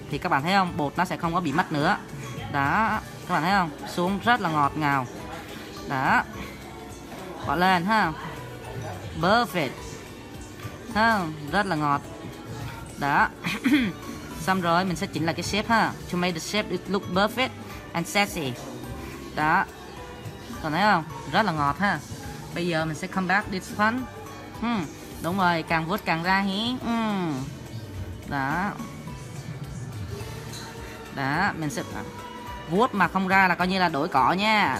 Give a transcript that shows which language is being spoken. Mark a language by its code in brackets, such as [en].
[vi] Thì các bạn thấy không, bột nó sẽ không có bị mất nữa. Đó, các bạn thấy không, xuống rất là ngọt ngào. Đó, bỏ lên ha. Perfect ha. Rất là ngọt. Đó. Xong rồi, mình sẽ chỉnh lại cái shape ha. [en] To make the shape look perfect and sexy. [vi] Đó. Còn thấy không, rất là ngọt ha. Bây giờ mình sẽ [en] come back this one. [vi] Đúng rồi, càng vuốt càng ra hí. Đó. Đó, mình sẽ vuốt mà không ra là coi như là đổi cỏ nha.